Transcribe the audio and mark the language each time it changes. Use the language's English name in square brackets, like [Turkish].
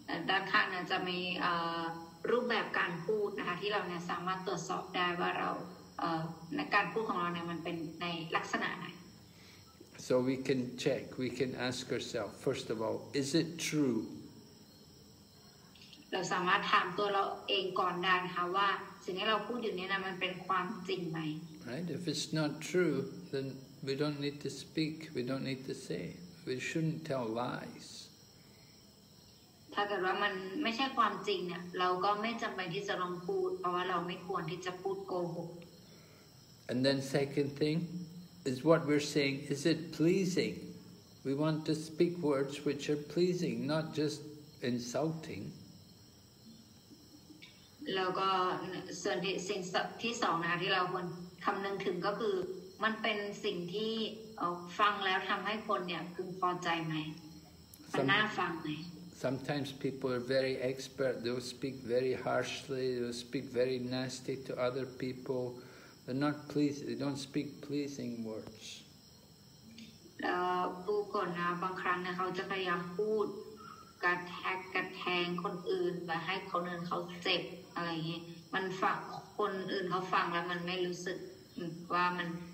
[Thai] ด้านข้างจะมีรูปแบบการพูดนะคะที่เราเนี่ยสามารถตรวจสอบได้ว่าเราในการพูดของเราเนี่ยมันเป็นในลักษณะไหน [English] So we can check, we can ask ourselves, first of all, is it true? [Thai] เราสามารถถามตัวเราเองก่อนได้นะคะว่าสิ่งที่เราพูดอยู่เนี่ยมันเป็นความจริงไหม [English] Right, if it's not true, thenWe don't need to speak, we don't need to say. We shouldn't tell lies. [Thai] ถ้าเกิดว่ามันไม่ใช่ความจริงเนี่ยเราก็ไม่จำเป็นที่จะลองพูดเพราะว่าเราไม่ควรที่จะพูดโกหก [English] And then second thing is what we're saying, is it pleasing? We want to speak words which are pleasing, not just insulting. [Thai] แล้วก็ส่วนที่สิ่งที่สองนะที่เราควรคำนึงถึงก็คือมันเป็นสิ่งที่ฟังแล้วทำให้คนเนี่ยพึงพอใจไหมมันน่าฟังไหม [English] Sometimes people are very expert. They will speak very harshly. They will speak very nasty to other people. They're not pleasing. They don't speak pleasing words. [Thai] ผู้คนนะบางครั้งเนี่ยเขาจะพยายามพูดกระแทงคนอื่นไปให้คนอื่นเขาเจ็บอะไรเงี้ยมันฟังคนอื่นเขาฟังแล้วมันไม่รู้สึกว่ามัน